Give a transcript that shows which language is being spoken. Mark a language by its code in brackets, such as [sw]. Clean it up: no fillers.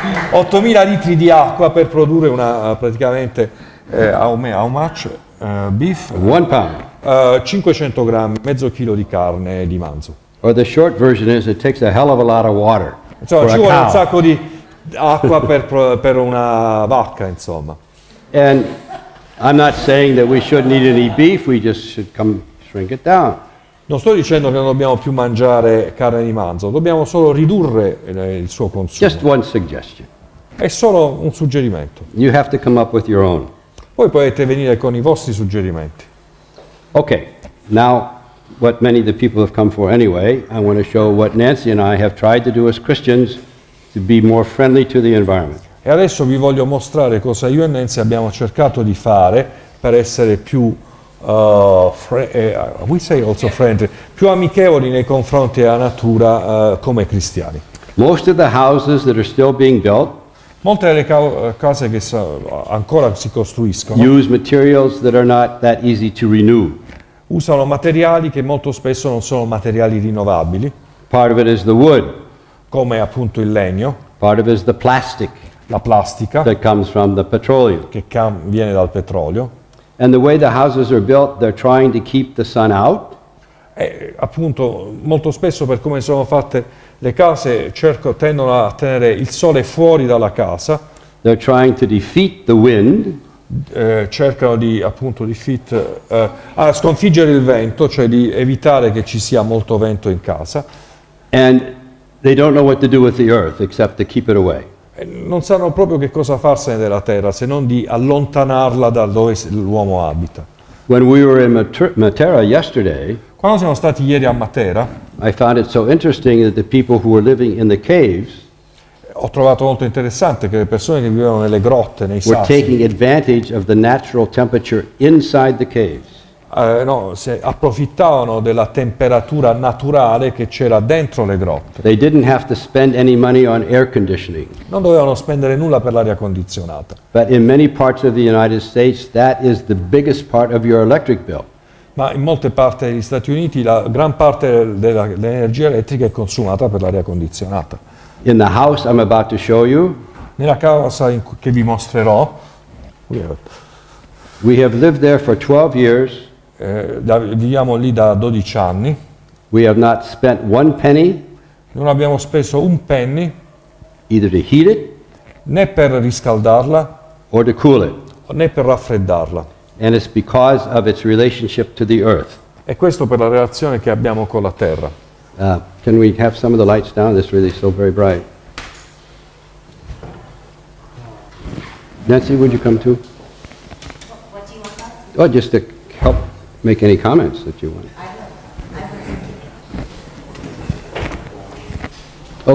[it] 8000 litri di acqua per produrre una praticamente beef? [en] 1 pound. [it] 500 grammi, mezzo chilo di carne di manzo. [en] Or the short version is it takes a hell of a lot of water. [it] Insomma, ci vuole un sacco di acqua per una vacca, insomma. [en] And I'm not saying that we shouldn't eat any beef, we just should come shrink it down. [it] Non sto dicendo che non dobbiamo più mangiare carne di manzo, dobbiamo solo ridurre il suo consumo. [en] Just one suggestion. [it] È solo un suggerimento. [en] You have to come up with your own. [it] Voi potete venire con i vostri suggerimenti. [en] Okay, now what many of the people have come for anyway, I want to show what Nancy and I have tried to do as Christians to be more friendly to the environment. [it] E adesso vi voglio mostrare cosa io e Nancy abbiamo cercato di fare per essere più [en] we say also friendly, [it] più amichevoli nei confronti della natura come cristiani. [en] Most of the houses that are still being built, [it] molte delle case che ancora si costruiscono, [en] use materials that are not that easy to renew. [it] Usano materiali che molto spesso non sono materiali rinnovabili. [en] Part of it is the wood, [it] come appunto il legno. [en] Part of it is the plastic, [it] la plastica, [en] that comes from the petroleum, [it] che viene dal petrolio. [en] And the way the houses are built, they're trying to keep the sun out. [it] E appunto, molto spesso per come sono fatte le case, tendono a tenere il sole fuori dalla casa. [en] They're trying to defeat the wind. [it] cercano di, appunto, di fit, a sconfiggere il vento, cioè di evitare che ci sia molto vento in casa. [en] And they don't know what to do with the earth except to keep it away. [it] Non sanno proprio che cosa farsene della terra se non di allontanarla da dove l'uomo abita. [en] When we were in Matera yesterday, [it] quando siamo stati ieri a Matera, [en] I found it so interesting that the people who were living in the caves, [it] ho trovato molto interessante che le persone che vivevano nelle grotte, nei sassi, [en] were taking advantage of the natural temperature inside the caves. [it] No, se approfittavano della temperatura naturale che c'era dentro le grotte. [en] They didn't have to spend any money on air conditioning. [it] Non dovevano spendere nulla per l'aria condizionata. [en] But in many parts of the United States, that is the biggest part of your electric bill. [it] Ma in molte parti degli Stati Uniti la gran parte dell'energia elettrica è consumata per l'aria condizionata. [en] In the house I'm about to show you, [it] nella casa che vi mostrerò, [en] we have lived there for 12 years. [it] Viviamo lì da 12 anni. [en] We have not spent one penny, [it] non abbiamo speso un penny, [en] either to heat it, [it] né per riscaldarla, [en] or to cool it, [it] né per raffreddarla. [en] And it's because of its relationship to the earth. [it] E questo per la relazione che abbiamo con la terra. [en] Can we have some of the lights down? This really is so very bright. Nancy, would you come too? What do you want us to do? Oh, just to help make any comments that you want. I will.